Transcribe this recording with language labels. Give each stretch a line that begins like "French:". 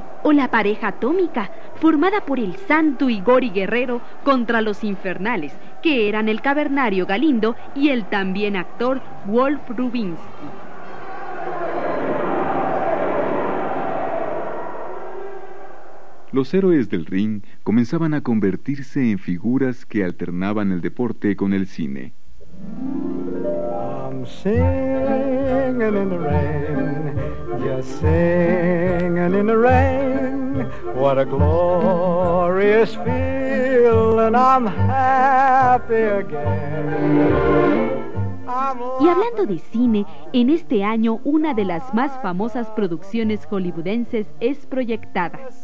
Spanish: O la pareja atómica, formada por el Santo y Gori Guerrero contra los infernales, que eran el cavernario Galindo y el también actor Wolf Rubinsky. Los héroes del ring comenzaban a convertirse en figuras que alternaban el deporte con el cine.
English: I'm singing in the rain, just singing in the rain. What a glorious feel, and I'm happy again.
Spanish: Y hablando de cine, en este año una de las más famosas producciones hollywoodenses es proyectada.